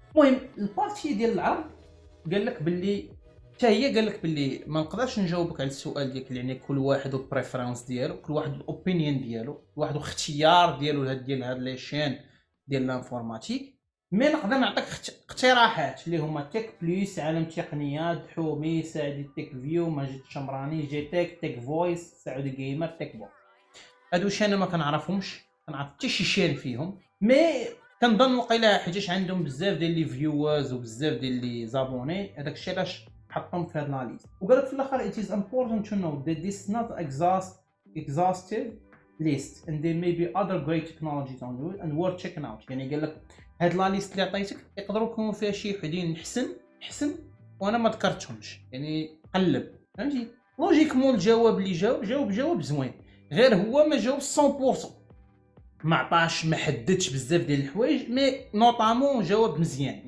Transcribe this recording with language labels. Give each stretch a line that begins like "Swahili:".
Arabic: المهم البارتي ديال العرب قال لك باللي حتى هي قال لك باللي ما نقدرش نجاوبك على السؤال ديالك، يعني كل واحد والبريفرنس ديالو، كل واحد الاوبينيون ديالو، كل واحد واختيار ديالو لهاد ديال هاد لي شين ديال الانفورماتيك، مي نقدر نعطيك اقتراحات اللي هما تيك بلس، عالم تقنيه، دحومي، سعدي تيك فيو، ماجد الشمراني، جي تيك، تيك فويس، سعودي جيمر، تيك بو. هادو شين ما كنعرفهمش، كنعرف حتى شي شين فيهم، مي كنظن وقيلا حيتاش عندهم بزاف ديال لي فيوورز وبزاف ديال لي زابوني، هذاك الشيء علاش حطهم في هاد لاليز. وقال لك في الاخر
English: it is important to know that this is not exhaustive list and there may be other great technologies on it and worth checking out.
Arabic: يعني قال لك هاد لاليست اللي عطيتك يقدروا يكونوا فيها شي وحدين احسن وانا ما ذكرتهمش، يعني قلب فهمتي لوجيك مول. الجواب اللي جاوب زوين، غير هو ما جاوب 100% ما عطاش ما حددش بزاف ديال الحوايج، مي نوطامون جاوب مزيان.